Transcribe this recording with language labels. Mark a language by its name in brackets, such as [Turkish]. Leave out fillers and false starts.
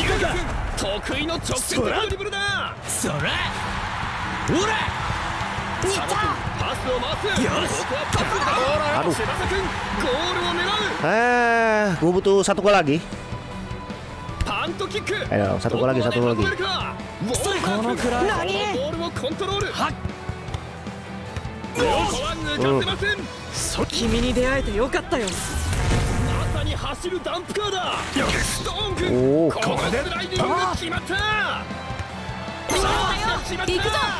[Japanese] ミカ君、得意の直接ドリブルだ。それ。ほら。いった。パスを回す。よし。タッチ。あの、セバサ君、ゴールを狙う。 [Indonesian] gua butuh satu gol lagi. [Japanese] パントキック。 [Indonesian] ayo, satu gol lagi, satu gol lagi. [Japanese] このくらい。何？ボールをコントロール。はっ。よし。抜かせません。そ、君に出会えてよかったよ。まさに走るダンプカーだ。よし、ストーン君、おお、ここでスライディングが決まった。決まったよ。決まった。行くぞ。